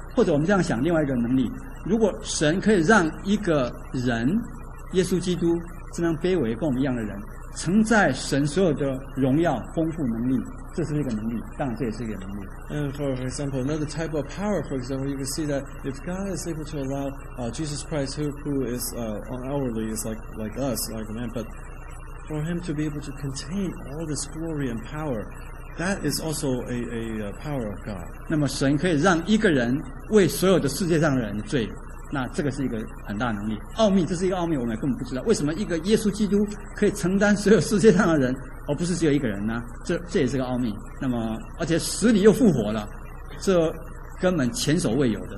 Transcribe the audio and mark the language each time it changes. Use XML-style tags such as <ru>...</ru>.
<zh>或者我们这样想，另外一个能力。如果神可以让一个人，耶稣基督这样卑微跟我们一样的人，承载神所有的荣耀、丰富能力，这是一个能力，当然这也是一个能力。</zh> <en>And for example, another type of power, for example, you can see that if God is able to allow Jesus Christ, who is hourly is like us, like a man, but for him to be able to contain all this glory and power. That is also a power of God.</en> <zh>那么神可以让一个人为所有的世界上的人的罪，那这个是一个很大能力。奥秘，这是一个奥秘，我们根本不知道为什么一个耶稣基督可以承担所有世界上的人，而不是只有一个人呢？这也是个奥秘。那么而且死里又复活了，这根本前所未有的。</zh>